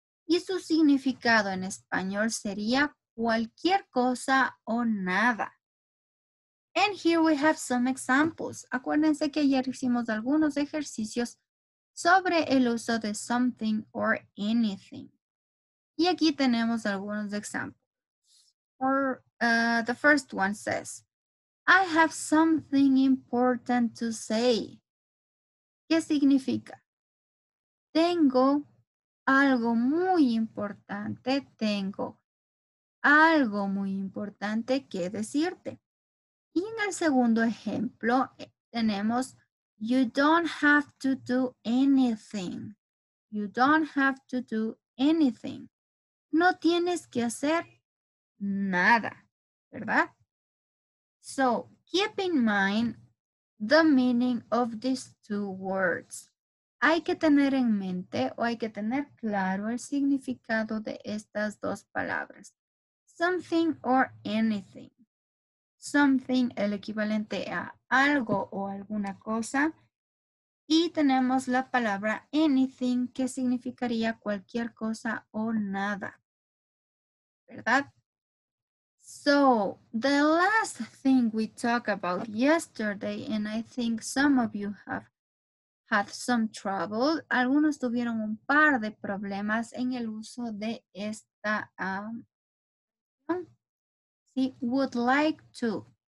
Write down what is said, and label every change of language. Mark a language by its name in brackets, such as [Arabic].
[Spanish] Y su significado en español sería cualquier cosa o nada. [English] And here we have some examples. [Spanish] Acuérdense que ayer hicimos algunos ejercicios sobre el uso de something or anything. Y aquí tenemos algunos ejemplos. [English] The first one says, I have something important to say. [Spanish] ¿Qué significa? Tengo algo muy importante. Tengo algo muy importante que decirte. Y en el segundo ejemplo tenemos, [English] you don't have to do anything. You don't have to do anything. [Spanish] No tienes que hacer nada, ¿verdad? [English] So, keep in mind the meaning of these two words. [Spanish] Hay que tener en mente o hay que tener claro el significado de estas dos palabras. Something or anything. Something, el equivalente a algo o alguna cosa. Y tenemos la palabra anything, que significaría cualquier cosa o nada. ¿Verdad? [English] So, the last thing we talked about yesterday, and I think some of you have had some trouble. [Spanish] Algunos tuvieron un par de problemas en el uso de esta sí, [English] would like to.